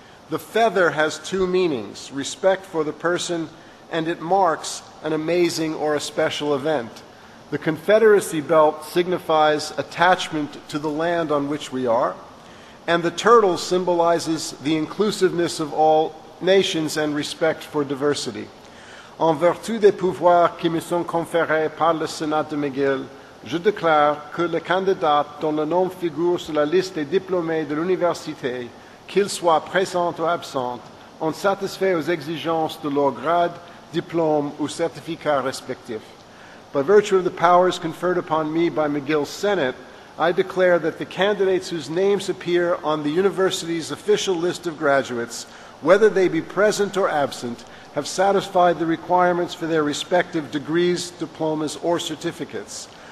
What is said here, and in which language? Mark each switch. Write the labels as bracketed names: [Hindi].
[English] The feather has two meanings, respect for the person, and it marks an amazing or a special event. The Confederacy belt signifies attachment to the land on which we are, and the turtle symbolizes the inclusiveness of all nations and respect for diversity. [French] En vertu des pouvoirs qui me sont conférés par le Sénat de McGill, je déclare que le candidat dont le nom figure sur la liste des diplômés de l'université, qu'il soit présent ou absent, ont satisfait aux exigences de leur grade, diplôme ou certificat respectif. [English] By virtue of the powers conferred upon me by McGill Senate, I declare that the candidates whose names appear on the university's official list of graduates, whether they be present or absent, have satisfied the requirements for their respective degrees, diplomas, or certificates.